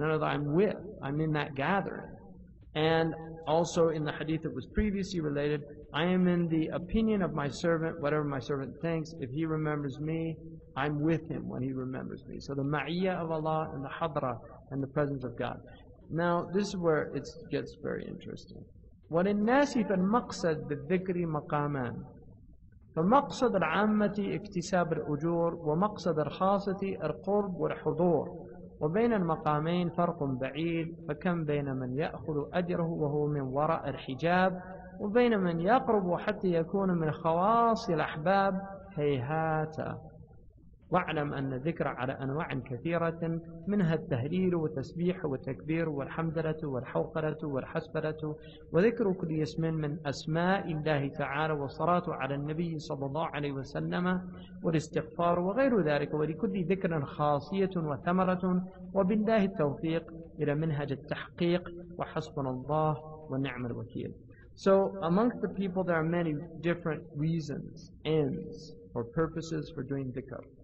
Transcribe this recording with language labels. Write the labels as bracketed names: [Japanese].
[English] In other words, I'm with, I'm in that gathering. And also in the hadith that was previously related, I am in the opinion of my servant, whatever my servant thinks, if he remembers me, I'm with him when he remembers me. So the ma'iyah of Allah and the hadra and the presence of God. Now this is where it gets very interesting. [Arabic] وَلِنْ نَاسِفَ الْمَقْصَدِ بِالذِّكْرِ مَقَامًا فَمَقْصَدَ الْعَامَّةِ اِكْتِسَابِ الْأُجُورِ وَمَقْصَدَ الْخَاصَةِ الْقُرْبِ وَالْحُضُورِ وبين المقامين فرق بعيد فكم بين من يأخذ أجره وهو من وراء الحجاب وبين من يقرب حتى يكون من خواص الأحباب هيهاتا. واعلم أن ذكر على أنواع كثيرة منها التهليل والتسبيح والتكبير والحمدلة والحوقلة والحسبلة وذكر كل اسم من أسماء الله تعالى والصلاة على النبي صلى الله عليه وسلم والاستغفار وغير ذلك ولكل ذكر خاصية وثمرة وبالله التوفيق إلى منهج التحقيق وحسبنا الله ونعم الوكيل. [English] So amongst the people there are many different reasons, ends, or purposes for doing dhikr.